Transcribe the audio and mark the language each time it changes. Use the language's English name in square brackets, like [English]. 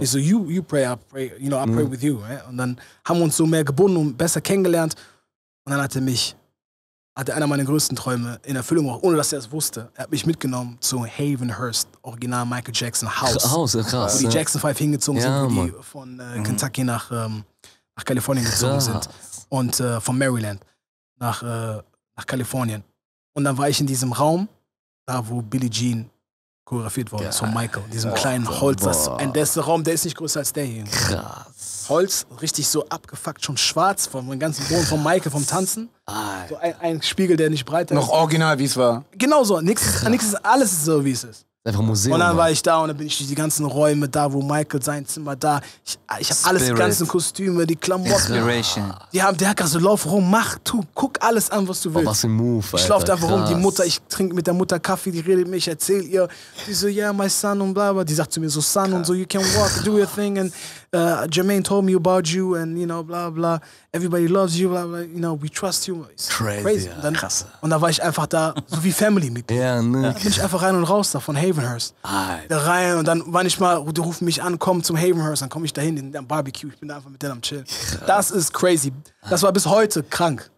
[German] Ich so, [English] you pray, I pray with you. [German] Ne? Und dann haben wir uns so mehr gebunden und besser kennengelernt. Und dann hatte einer meiner größten Träume in Erfüllung, auch ohne dass er es wusste. Er hat mich mitgenommen zu Havenhurst, original Michael Jackson House. Krass, wo die Jackson 5 hingezogen sind, wo die von Kentucky nach Kalifornien gezogen sind. Und von Maryland nach Kalifornien. Und dann war ich in diesem Raum, da wo Billie Jean choreografiert wurde, zu Michael, in diesem kleinen Holz. Das, und der ist ein Raum, der ist nicht größer als der hier. Krass. Holz, richtig so abgefuckt, schon schwarz vom ganzen Boden, vom Michael, vom Tanzen. Alter. So ein Spiegel, der nicht breiter noch ist. Noch original, wie es war. Genau so, nix ist alles so, wie es ist. Einfach Museum. Und dann war ich da und dann bin ich durch die ganzen Räume da, wo Michael sein Zimmer da. Ich hab alles, die ganzen Kostüme, die Klamotten. Inspiration. Der hat gerade so, lauf rum, mach, tu, guck alles an, was du willst. Oh, was ein Move, Alter. Ich lauf da einfach rum, die Mutter, ich trinke mit der Mutter Kaffee, die redet mich, erzähl ihr. Die so, [English] yeah, my son [German] und bla bla. Die sagt zu mir so, son und so, [English] you can walk, do your thing and... Jermaine told me about you and, you know, blah, blah. Everybody loves you, blah, blah. You know, we trust you. It's crazy. [German] Und dann, und da war ich einfach da, so wie Family mit dir. Ja, ne. Da bin ich einfach rein und raus da von Havenhurst. Alter. Da rein und dann war ich mal, du rufst mich an, komm zum Havenhurst. Dann komme ich dahin in Barbecue. Ich bin da einfach mit denen am Chillen. Das ist crazy. Das war bis heute krank.